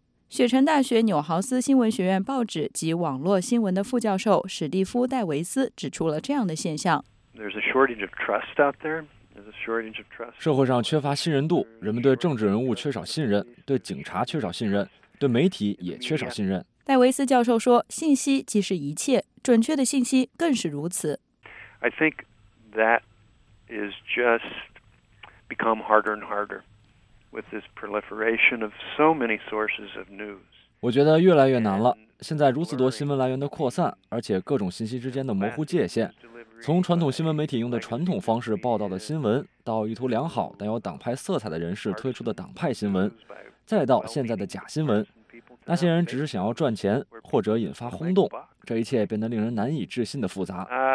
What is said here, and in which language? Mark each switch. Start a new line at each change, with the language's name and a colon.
Chinese: 雪城大学纽豪斯新闻学院报纸及网络新闻的副教授史蒂夫·戴维斯指出了这样的现象。
English: There's a shortage of trust out there.
Chinese: 社会上缺乏信任度，人们对政治人物缺少信任，对警察缺少信任，对媒体也缺少信任。戴维斯教授说，信息即是一切，准确的信息更是如此。
English: I think that is just become harder and harder with this proliferation of so many sources of news.
Chinese: 我觉得越来越难了，现在如此多新闻来源的扩散，而且各种信息之间的模糊界限。从传统新闻媒体用的传统方式报道的新闻，到意图良好但有党派色彩的人士推出的党派新闻，再到现在的假新闻，那些人只是想要赚钱或者引发轰动，这一切变得令人难以置信的复杂。